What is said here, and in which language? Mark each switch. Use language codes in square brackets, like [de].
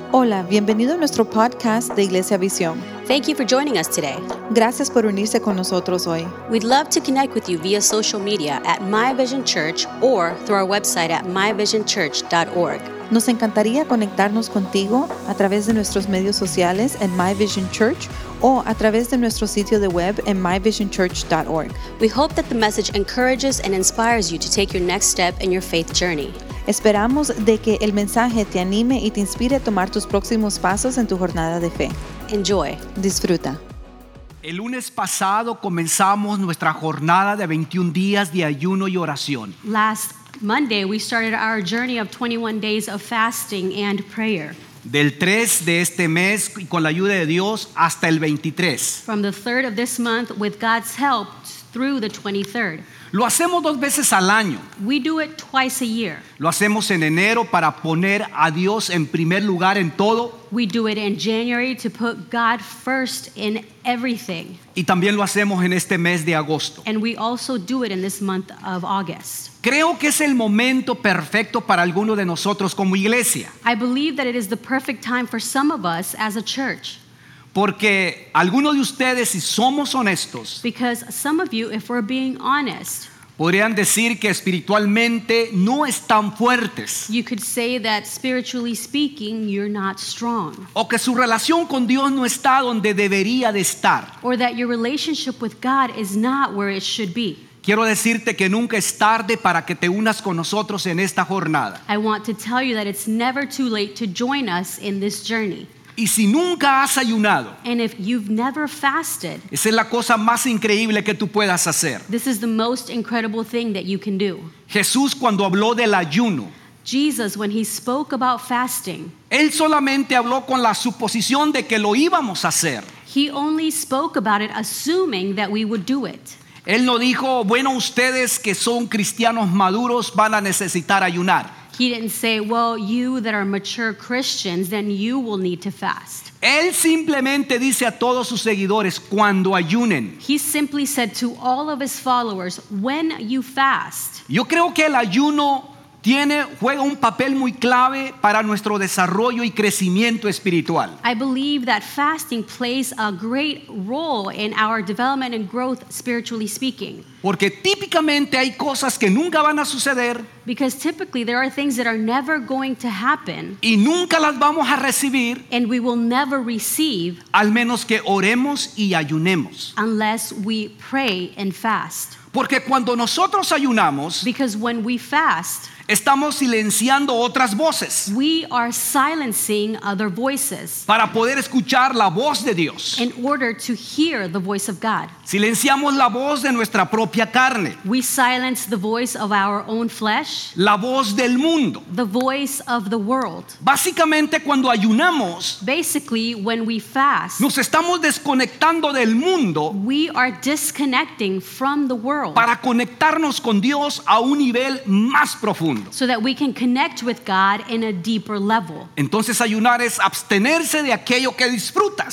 [es] Hola, bienvenido a nuestro podcast de Iglesia Visión. [en] Thank you for joining us today. [es] Gracias por unirse con nosotros hoy. [en] We'd love to connect with you via social media at My Vision Church or through our website at myvisionchurch.org. [es] Nos encantaría conectarnos contigo a través de nuestros medios sociales en My Vision Church o a través de nuestro sitio de web en myvisionchurch.org. [en] We hope that the message encourages and inspires you to take your next step in your faith journey. [es] Esperamos de que el mensaje te anime y te inspire a tomar tus próximos pasos en tu jornada de fe. [en] Enjoy. [es] Disfruta. El lunes pasado comenzamos nuestra jornada de 21 días de ayuno y oración. [en] Last Monday we started our journey of 21 days of fasting and prayer. [es] Del 3 de este mes y con la ayuda de Dios hasta el 23. [en] From the 3rd of this month with God's help through the 23rd. [es] Lo hacemos dos veces al año. [en] We do it twice a year. [es] Lo hacemos en enero para poner a Dios en primer lugar en todo. [en] We do it in January to put God first in everything. [es] Y también lo hacemos en este mes de agosto. [en] And we also do it in this month of August. [es] Creo que es el momento perfecto para alguno de nosotros como iglesia. [en] I believe that it is the perfect time for some of us as a church. [es] Porque algunos de ustedes, si somos honestos, [en] because some of you, if we're being honest, [es] podrían decir que espiritualmente no están fuertes. [en] You could say that spiritually speaking, you're not strong. [es] O que su relación con Dios no está donde debería de estar. [en] Or that your relationship with God is not where it should be. [es] Quiero decirte que nunca es tarde para que te unas con nosotros en esta jornada. [en] I want to tell you that it's never too late to join us in this journey. [es] Y si nunca has ayunado, [en] and if you've never fasted, [es] esa es la cosa más increíble que tú puedas hacer. [en] This is the most incredible thing that you can do. [es] Jesús, cuando habló del ayuno, [en] Jesus, when he spoke about fasting, [es] él solamente habló con la suposición de que lo íbamos a hacer. [en] He only spoke about it assuming that we would do it. [es] Él no dijo, bueno, ustedes que son cristianos maduros van a necesitar ayunar. [en] He didn't say, well, you that are mature Christians, then you will need to fast. [es] Él simplemente dice a todos sus seguidores, cuando ayunen. [en] He simply said to all of his followers, when you fast. [es] Yo creo que el ayuno juega un papel muy clave para nuestro desarrollo y crecimiento espiritual. [en] I believe that fasting plays a great role in our development and growth spiritually speaking. [es] Porque típicamente hay cosas que nunca van a suceder. [en] Because typically there are things that are never going to happen. [es] Y nunca las vamos a recibir. [en] And we will never receive. [es] Al menos que oremos y ayunemos. [en] Unless we pray and fast. [es] Porque cuando nosotros ayunamos, [en] because when we fast, [es] estamos silenciando otras voces. [en] We are silencing other voices. [es] Para poder escuchar la voz de Dios. [en] In order to hear the voice of God. [es] Silenciamos la voz de nuestra propia carne. [en] We silence the voice of our own flesh. [es] La voz del mundo. [en] The voice of the world. [es] Básicamente cuando ayunamos, [en] basically when we fast, [es] nos estamos desconectando del mundo. [en] We are disconnecting from the world. [es] Para conectarnos con Dios a un nivel más profundo. [en] So that we can connect with God in a deeper level. [es] Entonces ayunar es abstenerse de aquello que disfrutas.